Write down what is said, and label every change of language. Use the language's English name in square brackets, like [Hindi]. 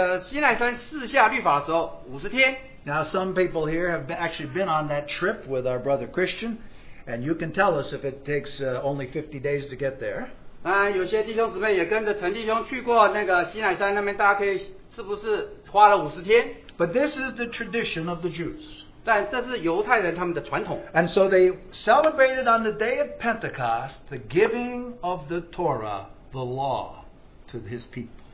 [Chinese] 那接着到那个神在埃及在那个西奈山赐下律法的时候50天。 [English] Now some people here have actually been on that trip with our brother Christian, and you can tell us if it takes only 50 days to get there. [Chinese] 有些弟兄姊妹也跟着陈弟兄去过那个西乃山那边，大家可以是不是花了50天？ [English] But this is the tradition of the Jews. [Chinese] 但这是犹太人他们的传统。 [English] And so they celebrated on the day of Pentecost the giving of the Torah, the law, to his people.